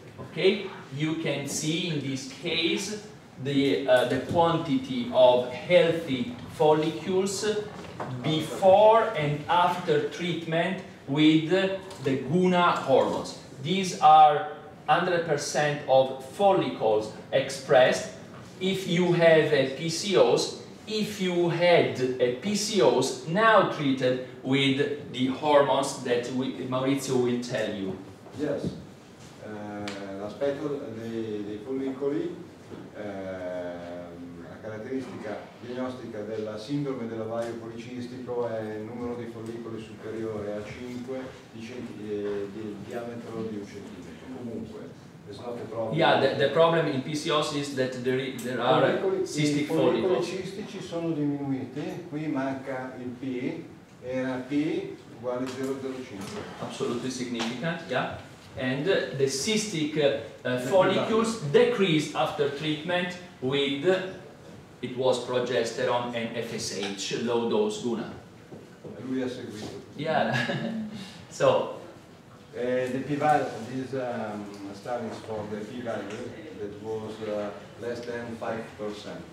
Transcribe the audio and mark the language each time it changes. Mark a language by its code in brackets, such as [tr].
[en] Okay, you can see in this case the quantity of healthy follicles before and after treatment with the Guna hormones. These are 100% of follicles expressed if you have a PCOS, if you had a PCOS now treated with the hormones that Maurizio will tell you. [it] Yes, l'aspetto dei follicoli, la caratteristica diagnostica della sindrome dell'ovario policistico è il numero di follicoli superiore a 5 di diametro di un centimetro. [en] Comunque, there's not a problem. Yeah, the problem in PCOS is that there are cystic follicles. [it] I follicoli cistici sono diminuiti, qui manca il P, era P uguale 0,05. [en] Absolutely significant, yeah. And the cystic follicles decreased after treatment with, it was progesterone and FSH, low dose Guna. [it] Lui ha seguito. [en] Yeah. So. The p-value, this study is for the p-value that was less than 5%.